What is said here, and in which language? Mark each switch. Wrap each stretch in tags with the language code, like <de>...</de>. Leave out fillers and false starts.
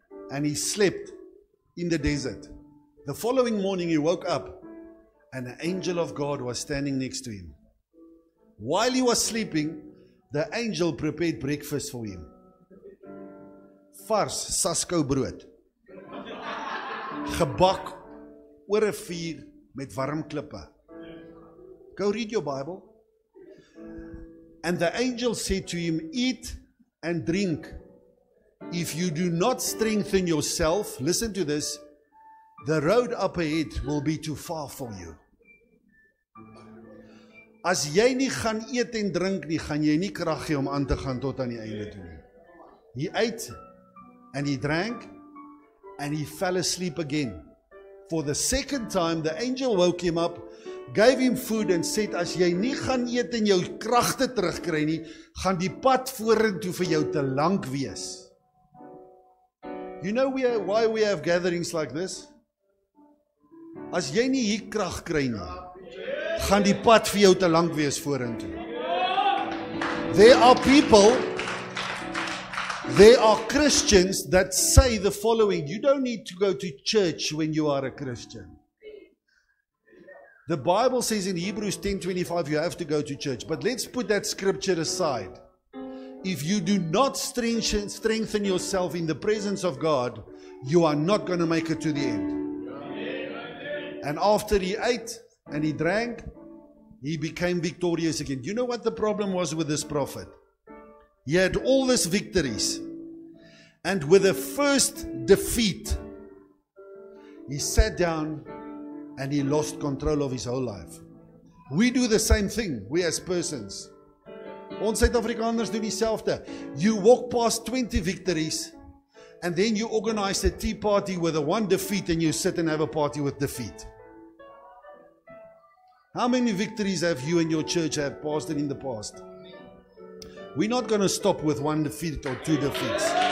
<en>And he slept in the desert. The following morning he woke up and the angel of God was standing next to him. While he was sleeping, the angel prepared breakfast for him.</en> <af>Vars Sasko brood. Gebak oor 'n vuur met warm klippe.</af> <en>Go read your Bible. And the angel said to him, eat and drink. If you do not strengthen yourself, listen to this, the road up ahead will be too far for you.</en> <af>As jy nie gaan eet en drink nie, gaan jy nie krag hê om aan te gaan tot aan die einde toe nie.</af> <en>He ate and he drank and he fell asleep again. For the second time, the angel woke him up, gave him food and said,</en> <af>as jy nie gaan eet en jou kragte terugkry nie, gaan die pad vorentoe vir jou te lank wees.</af> <en>You know why we have gatherings like this?</en> <af>As jy nie hier krag kry nie, gaan die pad vir jou te lank wees vorentoe.</af> <en>There are Christians that say the following: you don't need to go to church when you are a Christian. The Bible says in Hebrews 10:25 you have to go to church, but let's put that scripture aside. If you do not strengthen yourself in the presence of God, you are not going to make it to the end. And after he ate and he drank, he became victorious again. You know what the problem was with this prophet? He had all these victories. And with the first defeat, he sat down and he lost control of his whole life. We do the same thing, we as persons.</en> <af>Ons Suid-Afrikaners doen dieselfde.</af> <en>You walk past 20 victories and then you organize a tea party with a one defeat and you sit and have a party with defeat. How many victories have you and your church have passed in the past? We're not going to stop with one defeat or two defeats.</en>